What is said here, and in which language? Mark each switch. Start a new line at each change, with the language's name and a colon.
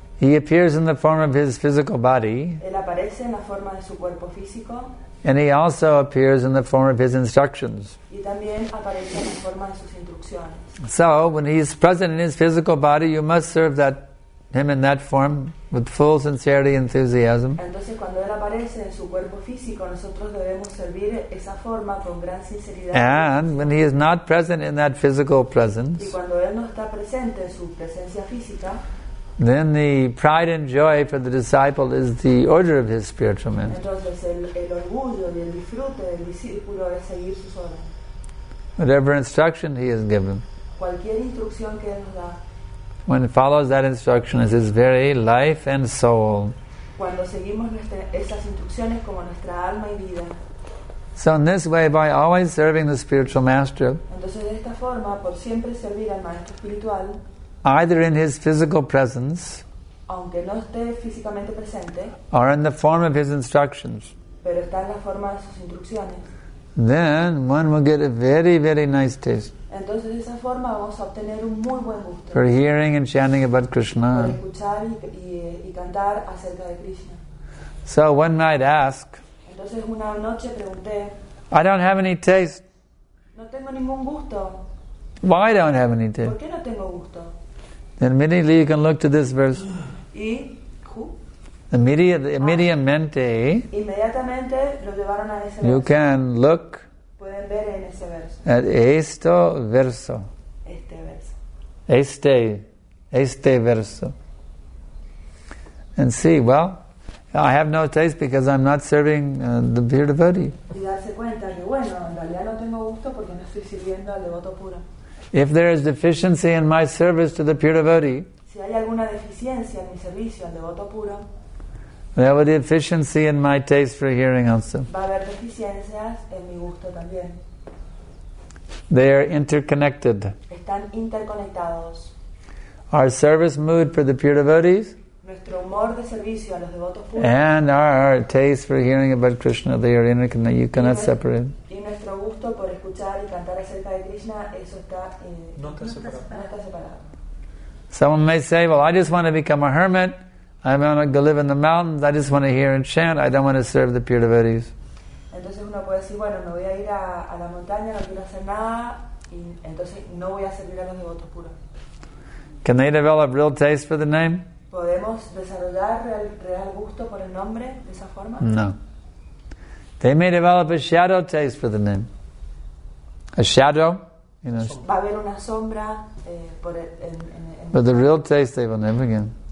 English: He appears in the form of his physical body.
Spanish: Él aparece en la forma de su cuerpo físico,
English: and he also appears in the form of his instructions.
Spanish: Y también aparece en la forma de sus instrucciones.
English: So when he is present in his physical body, you must serve that him in that form with full sincerity and enthusiasm.
Spanish: Entonces, cuando él aparece en su cuerpo físico, nosotros debemos servir esa forma con gran sinceridad.
English: And when he is not present in that physical presence,
Spanish: y cuando él no está presente en su presencia física,
English: then the pride and joy for the disciple is the order of his spiritual master.
Spanish: Entonces, el orgullo y el disfrute del discípulo es seguir sus órdenes.
English: Whatever instruction he is given,
Spanish: cualquier instrucción que él nos da,
English: when it follows that instruction, it's his very life and soul.
Spanish: Cuando seguimos esas instrucciones como nuestra alma y vida.
English: So in this way, by always serving the spiritual master,
Spanish: entonces, de esta forma, por siempre servir al maestro espiritual,
English: either in his physical presence,
Spanish: aunque no esté físicamente presente,
English: or in the form of his instructions,
Spanish: pero está en la forma de sus instrucciones,
English: then one will get a very, very nice taste.
Spanish: Entonces, de esa forma vamos a obtener un muy buen gusto
English: for hearing and chanting about Krishna.
Spanish: Por escuchar y cantar acerca de Krishna.
English: So one might ask,
Spanish: entonces, una noche pregunté,
English: I don't have any taste.
Spanish: No tengo ningún gusto.
English: Why don't have any taste?
Spanish: ¿Por qué no tengo gusto?
English: Immediately you can look to this verse.
Spanish: ¿Y?
English: Immediately,
Spanish: inmediatamente lo llevaron a ese
English: you
Spanish: verso.
English: Can look
Spanish: ver en ese verso. At esto verso. Este verso. Este verso.
English: And see, well, I have no taste because I'm not serving the pure devotee.
Spanish: Y darse cuenta que, bueno, en realidad no tengo gusto porque no estoy sirviendo al devoto puro.
English: If there is deficiency in my service to the pure devotee,
Spanish: si hay alguna deficiencia en mi servicio al devoto puro,
English: there will be deficiency in my taste for hearing also.
Spanish: Va a haber deficiencias en mi gusto también.
English: They are interconnected.
Spanish: Están interconectados.
English: Our service mood for the pure devotees,
Spanish: nuestro humor de servicio a los devotos puros,
English: and our taste for hearing about Krishna, they are interconnected. You cannot separate.
Spanish: Y nuestro gusto por escuchar y cantar acerca de Krishna, eso está no está separado.
English: Someone may say, well, I just want to become a hermit. I want to live in the mountains. I just want to hear and chant. I don't want to serve the pure devotees.
Spanish: Entonces uno puede decir, bueno, me voy a ir a la montaña, no quiero hacer nada, y entonces no voy a servir a los devotos puros.
English: Can they develop real taste for the name?
Spanish: ¿Podemos desarrollar real gusto por el nombre de esa forma?
English: No. They may develop a shadow taste for the name. A shadow, you know.
Spanish: Va a haber una sombra por
English: but the real taste they will never get.